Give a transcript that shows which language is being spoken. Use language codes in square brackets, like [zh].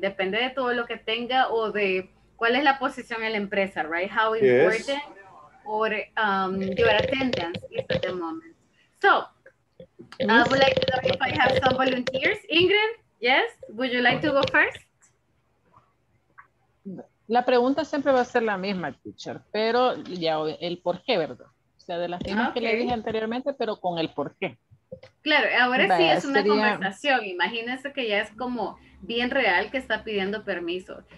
[es] Depende de todo lo que tenga o de cuál es la posición en la empresa, right? [en] How important or your attendance is at the moment. So, I would like to know if I have some volunteers. Ingrid, yes? Would you like to go first? [es] La pregunta siempre va a ser la misma, teacher, pero ya el por qué, ¿verdad? O sea, de las mismas que le dije anteriormente, pero con el por qué. Claro, ahora sí es una conversación. Imagínense que ya es como bien real que está pidiendo permiso.